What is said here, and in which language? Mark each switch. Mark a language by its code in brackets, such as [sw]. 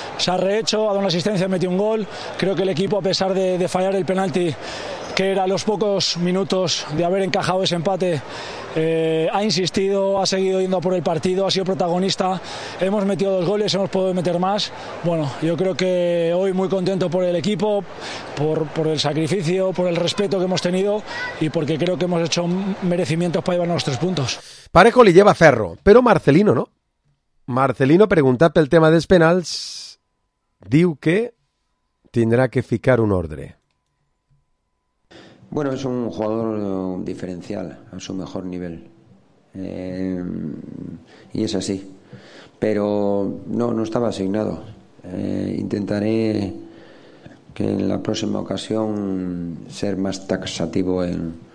[es] Se ha rehecho, ha dado una asistencia, metió un gol. Creo que el equipo, a pesar de fallar el penalti, que era los pocos minutos de haber encajado ese empate, ha insistido, ha seguido yendo por el partido, ha sido protagonista. Hemos metido dos goles, hemos podido meter más. Bueno, yo creo que hoy muy contento por el equipo, por el sacrificio, por el respeto que hemos tenido y porque creo que hemos hecho merecimientos para llevarnos los tres puntos. Parejo le lleva ferro, pero Marcelino no. [ca] Marcelino pregunta pel tema dels penals, diu que tindrà que ficar un ordre. [es] Bueno, es un jugador diferencial a su mejor nivel. Y es así. Pero no estaba asignado. Intentaré que en la próxima ocasión ser más taxativo en...